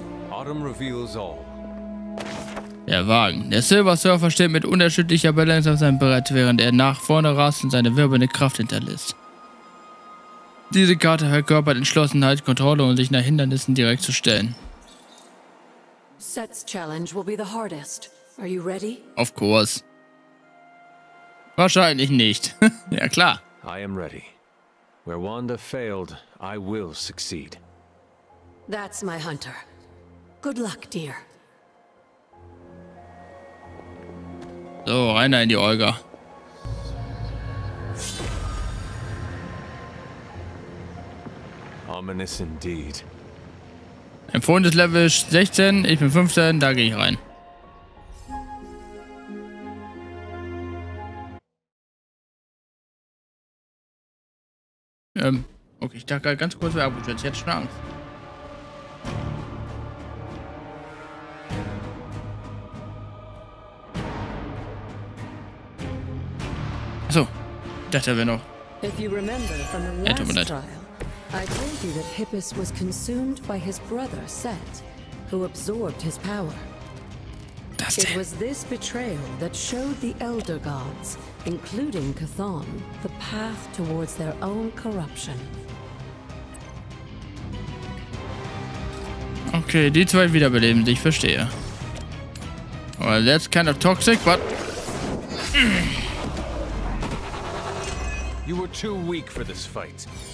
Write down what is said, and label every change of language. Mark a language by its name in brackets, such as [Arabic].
[English] Autumn reveals all. [German] Der Wagen. Der Silver Surfer steht mit unterschiedlicher Balance auf seinem Brett, während er nach vorne rast und seine wirbelnde Kraft hinterlässt. Diese Karte verkörpert Entschlossenheit, Kontrolle und sich nach Hindernissen direkt zu stellen. [English] Set's challenge will be the hardest. Are you ready? Of course. [German] Wahrscheinlich nicht. Ja, klar. [English] I am ready. Where Wanda failed, I will succeed. That's my Hunter. Good luck, dear. [German] So, rein in die Olga. [English] Ominous indeed. [German] Empfohlenes Level 16, ich bin 15, da gehe ich rein. Okay, ich dachte ganz kurz, wer abgestürzt. Ich hätte schon Angst. Achso, ich dachte, wer noch. [English] If you remember from the last trial, I told you that Hippus was consumed by his brother Set, who absorbed his power. It was this betrayal that showed the Elder Gods, including K'thon, the path towards their own corruption. [German] Okay, die zwei wiederbeleben, ich verstehe. [English] Well, that's kind of toxic, but... You were too weak for this fight.